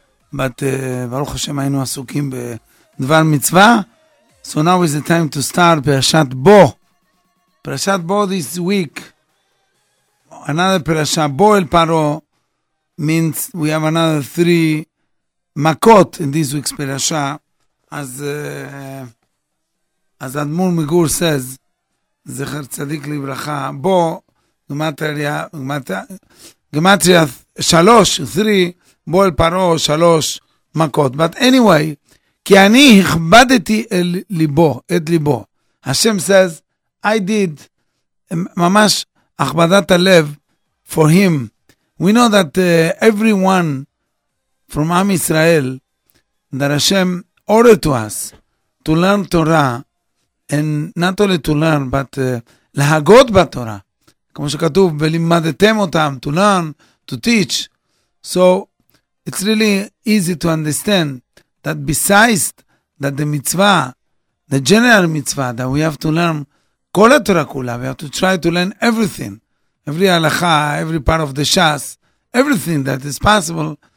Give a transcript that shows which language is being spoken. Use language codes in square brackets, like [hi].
[en] But [he] Baruch Hashem, היינו עסוקים בדבר מצווה. [en] So now is the time to start Parashat Bo. Parashat Bo this week. Another Parashat Bo El Paro means we have another three Makot in this week's Parasha. As Admur Migur says, Zecher Tzadik Livracha, Bo, Gematria 3, Bo El Paro 3 Makot. But anyway, [he] כי אני הכבדתי את ליבו. [en] השם says, I did [he] ממש הכבדת הלב [en] for him. We know that everyone from Am Israel, that Hashem ordered to us to learn Torah, and not only to learn, but [he] להגות בתורה. כמו שכתוב, ולימדתם אותם, [en] to learn, to teach. So it's really easy to understand that besides that the mitzvah, the general mitzvah, that we have to learn kol ha-Torah kula, we have to try to learn everything, every halakha, every part of the shas, everything that is possible.